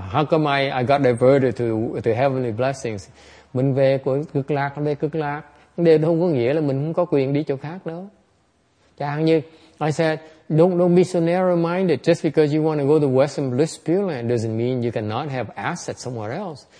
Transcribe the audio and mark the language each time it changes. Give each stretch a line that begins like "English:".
English: How come I got diverted to heavenly blessings?
Vietnamese: Mình về cực lạc, về cực lạc. Điều không có nghĩa là mình không có quyền đi chỗ khác đâu. Chẳng như,
English: I said, don't be so narrow-minded. Just because you want to go to Western Bliss Pure Land doesn't mean you cannot have assets somewhere else.